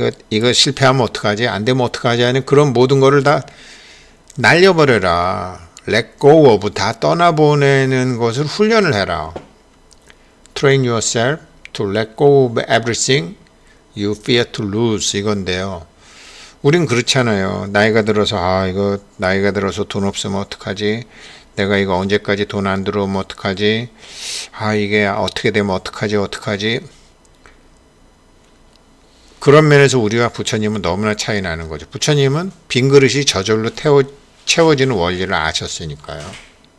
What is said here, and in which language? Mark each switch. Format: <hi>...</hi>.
<ko>이거 실패하면 어떡하지? 안 되면 어떡하지? 하는 그런 모든 거를 다 날려버려라. Let go of, 다 떠나보내는 것을 훈련을 해라.</ko> <en>Train yourself to let go of everything you fear to lose.</en> <ko>이건데요. 우린 그렇잖아요. 나이가 들어서, 나이가 들어서 돈 없으면 어떡하지? 내가 이거 언제까지 돈 안 들어오면 어떡하지? 이게 어떻게 되면 어떡하지? 어떡하지? 그런 면에서 우리가 부처님은 너무나 차이 나는 거죠. 부처님은 빈 그릇이 저절로 채워지는 원리를 아셨으니까요.</ko>